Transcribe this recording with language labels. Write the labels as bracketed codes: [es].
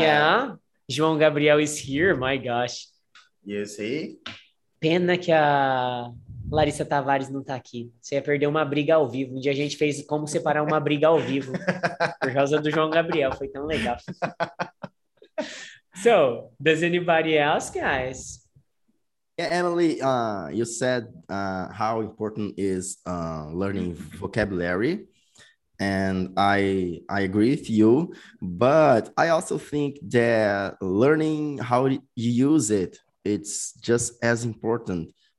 [en] Yeah, João Gabriel is here. My gosh, you see. [pt] Pena que a Larissa Tavares não tá aqui. Você ia perder uma briga ao vivo. Um dia a gente fez como separar uma briga ao vivo por causa do João Gabriel. Foi tão legal. [en] So does anybody else, guys? Emily, you said how important is learning vocabulary, and I agree with you, but I also think that learning how you use it, it's just as important.